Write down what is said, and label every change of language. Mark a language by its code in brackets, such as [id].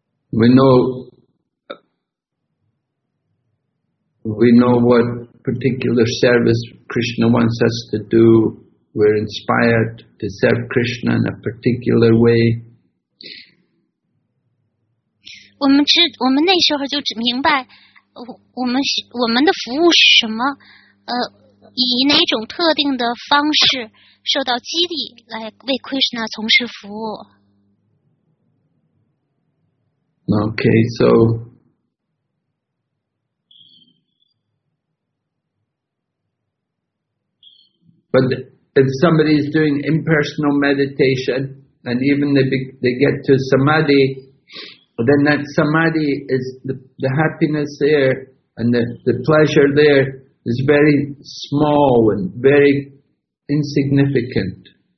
[en] We know we know what particular service Krishna wants us to do. We're inspired to serve Krishna in a particular way. [zh] 我们那时候就明白，我们的服务是什么，以哪种特定的方式受到激励来为 Krishna 从事服务。 [en] Okay, so but if somebody is doing impersonal meditation and even they get to samadhi, then that samadhi is the happiness there and the pleasure there is very small and very insignificant.